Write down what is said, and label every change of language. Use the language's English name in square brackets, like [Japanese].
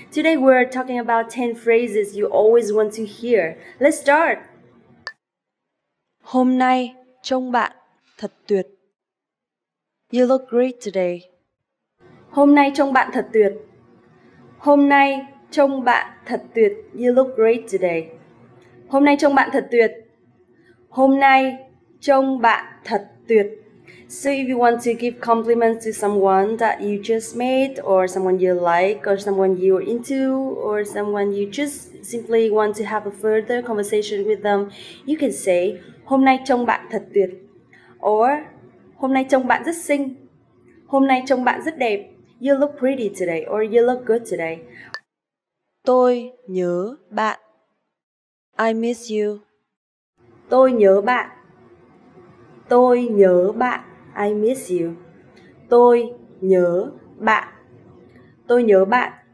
[English] Today we're talking about 10 phrases you always want to hear. Let's start. [Vietnamese] Hôm nay trông bạn thật tuyệt. [English] You look great today. [Vietnamese] Hôm nay trông bạn thật tuyệt. Hôm nay trông bạn thật tuyệt. [English] You look great today. [Vietnamese] Hôm nay trông bạn thật tuyệt. Hôm nay trông bạn thật tuyệt. [English] So if you want to give compliments to someone that you just met, or someone you like, or someone you're into, or someone you just simply want to have a further conversation with them, you can say, [Vietnamese] hôm nay trông bạn thật tuyệt. Or, hôm nay trông bạn rất xinh. Hôm nay trông bạn rất đẹp. [English] You look pretty today, or you look good today. [Vietnamese] Tôi nhớ bạn. [English] I miss you. [Vietnamese] Tôi nhớ bạn. Tôi nhớ bạn. [English] I miss you. [Vietnamese] Tôi nhớ bạn. Tôi nhớ bạn.